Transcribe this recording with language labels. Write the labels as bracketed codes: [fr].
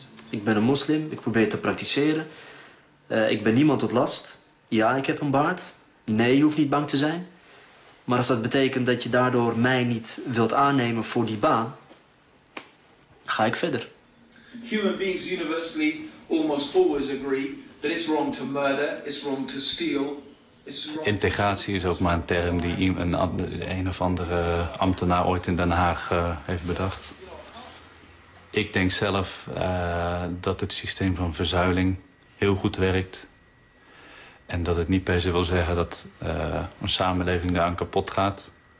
[nl] Ik ben een moslim, ik probeer te praktiseren. Ik ben niemand tot last. Ja, ik heb een baard. Nee, je hoeft niet bang te zijn. Maar als dat betekent dat je daardoor mij niet wilt aannemen voor die baan, ga ik verder. [en] Human beings universally almost always agree that it's wrong to murder, it's wrong to steal. [nl] Integratie is ook maar een term die een of andere ambtenaar ooit in Den Haag heeft bedacht. Ik denk zelf dat het systeem van verzuiling heel goed werkt. En dat het niet per se wil zeggen dat een samenleving daaraan kapot gaat.